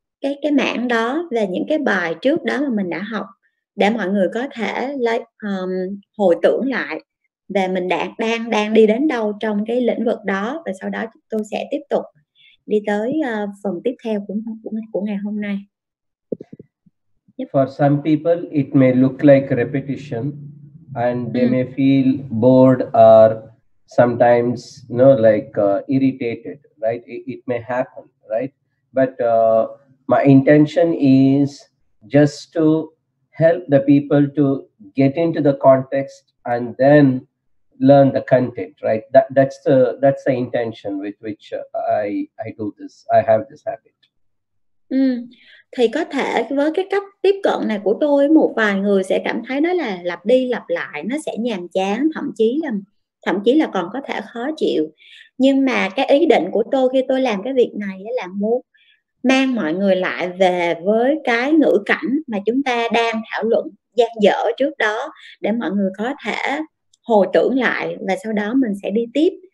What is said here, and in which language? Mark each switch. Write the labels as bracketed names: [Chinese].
[Vietnamese] cái mảng đó, về những cái bài trước đó mà mình đã học, để mọi người có thể hồi tưởng lại về mình đang đi đến đâu trong cái lĩnh vực đó, và sau đó tôi sẽ tiếp tục đi tới phần tiếp theo của ngày hôm nay. [English] Yep. For some people it may look like repetition and they may feel bored or sometimes irritated, right? It may happen, right? But my intention is just to help the people to get into the context and then learn the content, right? That's the intention with which I do this. I have this habit. [Vietnamese] Thì có thể với cái cách tiếp cận này của tôi, một vài người sẽ cảm thấy nó là lặp đi lặp lại, nó sẽ nhàm chán, thậm chí là còn có thể khó chịu. Nhưng mà cái ý định của tôi khi tôi làm cái việc này là muốn mang mọi người lại về với cái ngữ cảnh mà chúng ta đang thảo luận dang dở trước đó, để mọi người có thể hồi tưởng lại và sau đó mình sẽ đi tiếp.